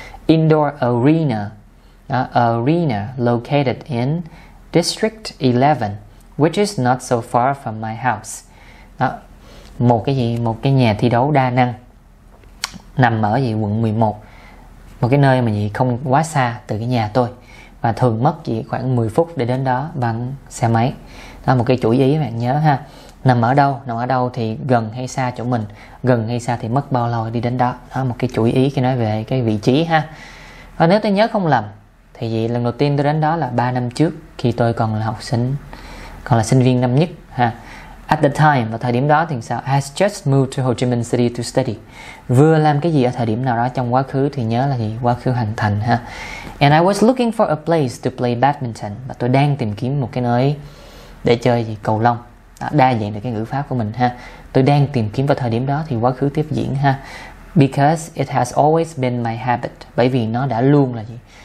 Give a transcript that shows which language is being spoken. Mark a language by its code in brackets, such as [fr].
[en] Indoor arena, arena located in District 11, which is not so far from my house. [vi] Đó, một cái gì, một cái nhà thi đấu đa năng nằm ở gì quận 11, một cái nơi mà gì không quá xa từ cái nhà tôi và thường mất chỉ khoảng 10 phút để đến đó bằng xe máy. Đó một cái chủ ý bạn nhớ ha. Nằm ở đâu, nằm ở đâu thì gần hay xa chỗ mình, gần hay xa thì mất bao lâu đi đến đó. Đó một cái chủ ý khi nói về cái vị trí ha. Và nếu tôi nhớ không lầm thì gì lần đầu tiên tôi đến đó là 3 năm trước khi tôi còn là học sinh, còn là sinh viên năm nhất ha. [en] At the time, [vi] vào thời điểm đó thì sao? [en] I has just moved to Ho Chi Minh City to study. [vi] Vừa làm cái gì ở thời điểm nào đó trong quá khứ thì nhớ là gì? Quá khứ hoàn thành ha. [en] And I was looking for a place to play badminton. [vi] Và tôi đang tìm kiếm một cái nơi để chơi gì? Cầu lông. Đó, đa dạng được cái ngữ pháp của mình ha. Tôi đang tìm kiếm vào thời điểm đó thì quá khứ tiếp diễn ha. [en] Because it has always been my habit. [vi] Bởi vì nó đã luôn là gì?